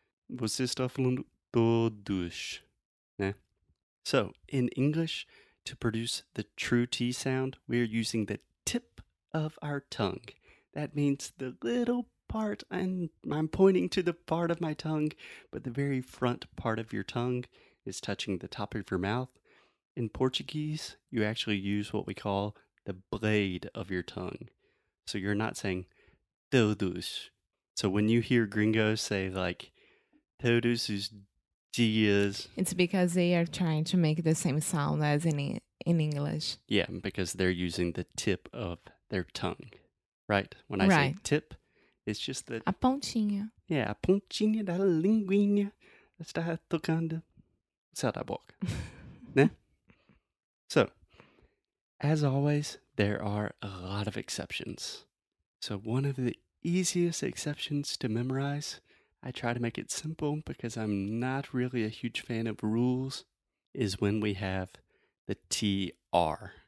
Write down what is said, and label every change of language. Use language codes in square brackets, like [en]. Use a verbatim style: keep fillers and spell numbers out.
[pt] Você está falando todos. Né? [en] So, in English, to produce the true T sound, we're using the tip of our tongue. That means the little part, and I'm, I'm pointing to the part of my tongue, but the very front part of your tongue is touching the top of your mouth. In Portuguese, you actually use what we call the blade of your tongue. So you're not saying todos. So when you hear gringos say like [pt] todos os dias, [en] It's because they are trying to make the same sound as in E- in English. yeah, because they're using the tip of their tongue, right? When I say Right. tip, it's just the [pt] A pontinha. yeah, a pontinha da linguinha está tocando céu da boca, né? [en] So, as always, there are a lot of exceptions. So, one of the easiest exceptions to memorize, I try to make it simple because I'm not really a huge fan of rules, is when we have the T R.